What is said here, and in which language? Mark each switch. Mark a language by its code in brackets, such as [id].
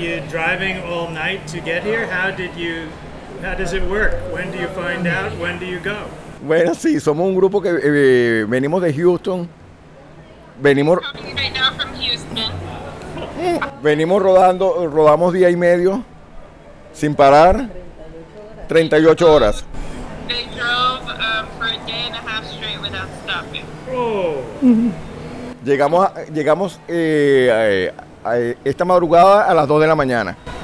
[en] Driving all night to get here? How does it work? When do you find out? When do you go? [es] Bueno, sí, somos un grupo que venimos de Houston. [en] Right now from Houston. [es] Venimos rodando, rodamos día y medio sin parar, 38 horas. [en] They drove for a day and a half straight without stopping. [es] Esta madrugada a las 2 de la mañana.